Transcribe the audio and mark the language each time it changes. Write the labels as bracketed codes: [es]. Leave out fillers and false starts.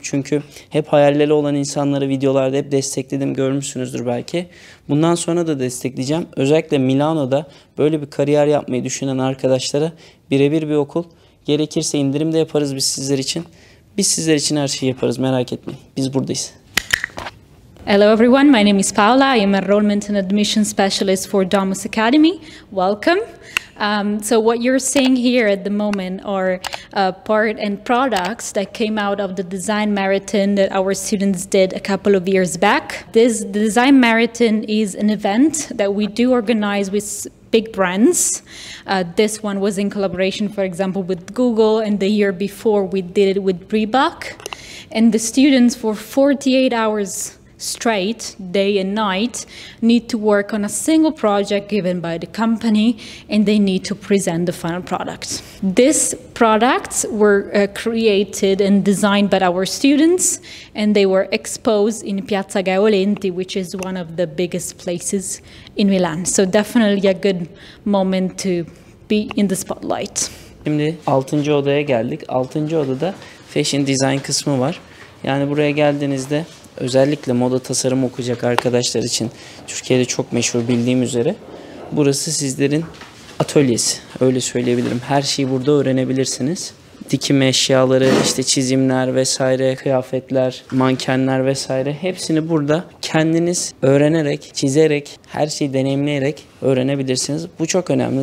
[tr] Çünkü hep hayalleri olan insanları videolarda hep destekledim. Görmüşsünüzdür belki. Bundan sonra da destekleyeceğim. Özellikle Milano'da böyle bir kariyer yapmayı düşünen arkadaşlara birebir bir okul. Gerekirse indirim de yaparız biz sizler için. Biz sizler için her şeyi yaparız, merak etmeyin. Biz buradayız. [en] Hello everyone, my name is Paola. I am Enrollment and Admission Specialist for Domus Academy. Welcome. So what you're seeing here at the moment are part and products that came out of the design marathon that our students did a couple of years back. This design marathon is an event that we do organize with big brands. This one was in collaboration, for example, with Google, and the year before we did it with Reebok. And the students, for 48 hours straight, day and night, need to work on a single project given by the company, and they need to present the final product. These products were created and designed by our students, and they were exposed in Piazza Gaiolenti, which is one of the biggest places in Milan. So definitely a good moment to be in the spotlight. [tr] Şimdi 6. odaya geldik. 6. odada fashion design kısmı var. Yani buraya geldiğinizde özellikle moda tasarımı okuyacak arkadaşlar için Türkiye'de çok meşhur, bildiğim üzere. Burası sizlerin atölyesi. Öyle söyleyebilirim. Her şeyi burada öğrenebilirsiniz. Dikim eşyaları, işte çizimler vesaire, kıyafetler, mankenler vesaire, hepsini burada kendiniz öğrenerek, çizerek, her şeyi deneyimleyerek öğrenebilirsiniz. Bu çok önemli.